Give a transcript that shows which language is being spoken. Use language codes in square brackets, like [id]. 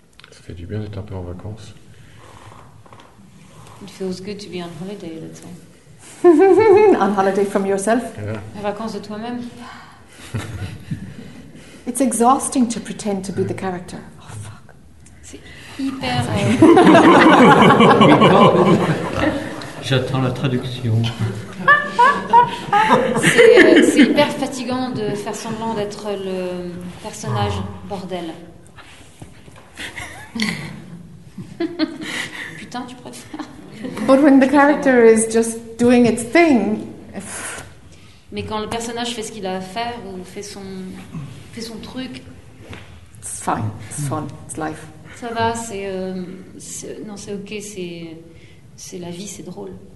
[fr] Ça fait du bien d'être un peu en vacances. [en] It feels good to be on holiday, that's all. On holiday from yourself. Yeah. [fr] En vacances de toi-même. [en] It's exhausting to pretend to be the character. Oh fuck. [fr] C'est hyper. J'attends la traduction. c'est hyper fatigant de faire semblant d'être le personnage bordel. Ha ha ha. putain, tu préfères. [en] But when the character is just doing its thing. [fr] Mais quand le personnage fait ce qu'il a à faire ou fait son truc. [en] It's fine, it's fun, it's life. [fr] Ça va, c'est ok, c'est la vie, c'est drôle.